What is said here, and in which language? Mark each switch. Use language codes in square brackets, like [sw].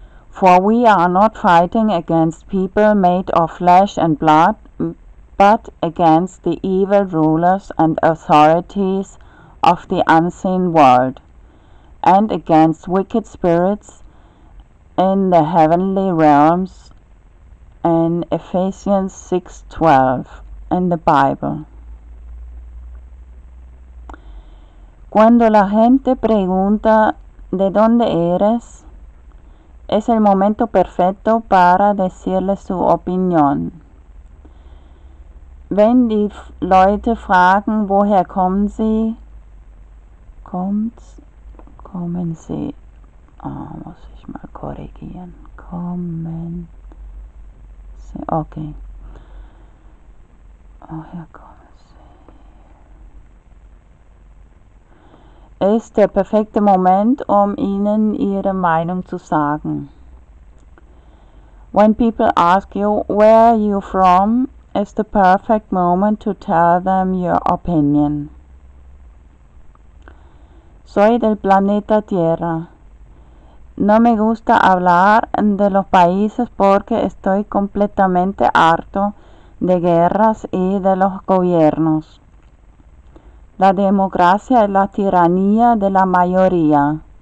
[en] For we are not fighting against people made of flesh and blood, but against the evil rulers and authorities of the unseen world, and against wicked spirits in the heavenly realms, in Ephesians 6:12, in the Bible. [es] Cuando la gente pregunta de dónde eres, es el momento perfecto para decirle su opinión. [de] Wenn die Leute fragen, woher kommen sie, ist der perfekte Moment, um ihnen ihre Meinung zu sagen. [en] When people ask you where you from, is the perfect moment to tell them your opinion. [es] Soy del planeta Tierra. No me gusta hablar de los países porque estoy completamente harto de guerras y de los gobiernos. La democracia es la tiranía de la mayoría.